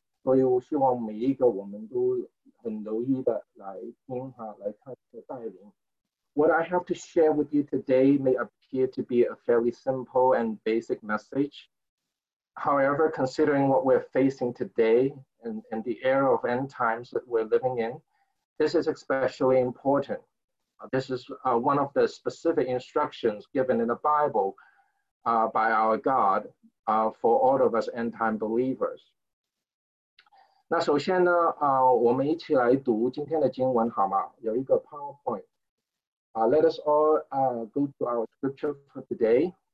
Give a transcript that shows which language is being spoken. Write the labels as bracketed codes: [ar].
[zh] 所以我希望每一个我们都很留意的来听他，来看他的带领。 [en] What I have to share with you today may appear to be a fairly simple and basic message. However, considering what we're facing today and the era of end times that we're living in, this is especially important. This is one of the specific instructions given in the Bible by our God for all of us end time believers. [zh] 那首先呢，我们一起来读今天的经文好吗？有一个 PowerPoint。 [en] Let us all go to our scripture for today.